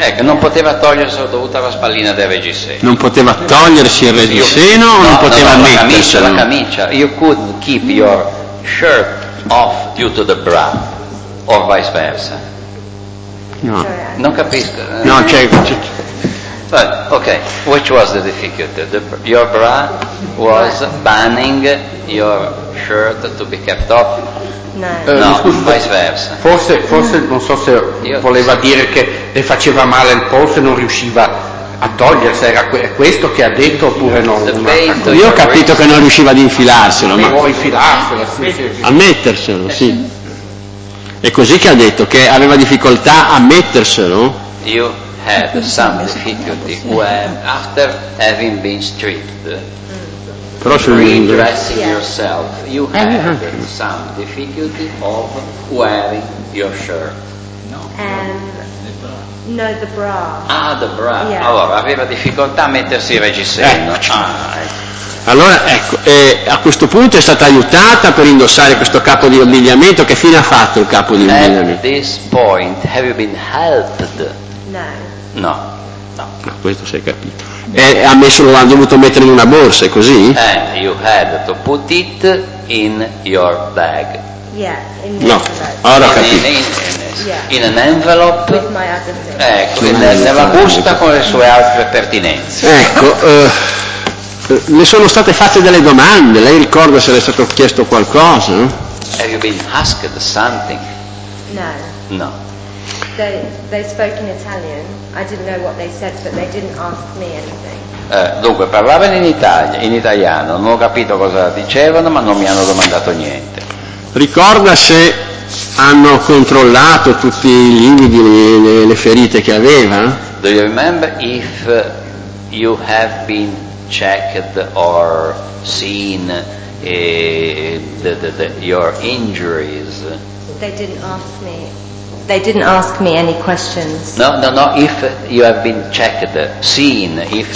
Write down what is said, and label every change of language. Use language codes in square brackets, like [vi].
[it] Ecco, non poteva toglierselo dovuta alla spallina del reggiseno. Non poteva togliersi il reggiseno o non poteva metterselo? La camicia, [en] you couldn't keep your shirt off due to the bra [it] o vice versa. No, non capisco. No, c'è. [en] But okay, which was the difficulty? Your bra was banning your shirt to be kept off. [it] No, scusa, vice versa. Forse non so se voleva dire che le faceva male il polso e non riusciva a togliersi, era questo che ha detto oppure no? Io ho capito che non riusciva ad infilarselo, ma vuoi infilarselo, a metterselo, sì. È così che ha detto, che aveva difficoltà a metterselo? [en] You had some difficulty when after having been stripped, redressing yourself, you had some difficulty of wearing your shirt. No, the bra. Ah, the bra. Yeah. [it] Allora, aveva difficoltà a mettersi il reggiseno. Allora, ecco, a questo punto è stata aiutata per indossare questo capo di abbigliamento. Che fine ha fatto il capo di abbigliamento? [en] At this point, have you been helped? No. [it] Questo si è capito. Ha dovuto mettere in una borsa, è così? [en] And you had to put it in your bag. Yeah, [it] no, ora in, capito. [en] In an envelope, with my other things. [it] Ecco, nella busta con le sue altre pertinenze. Ecco, le sono state fatte delle domande. Lei ricorda se le è stato chiesto qualcosa? [en] Have you been asked something? No. They spoke in Italian. I didn't know what they said, but they didn't ask me anything. [it] Dunque, parlavano in italiano. Non ho capito cosa dicevano, ma non mi hanno domandato niente. Ricorda se hanno controllato tutti i lividi, le ferite che aveva? [en] Do you remember if you have been checked or seen your injuries? They didn't ask me any questions. No, if you have been checked, seen, if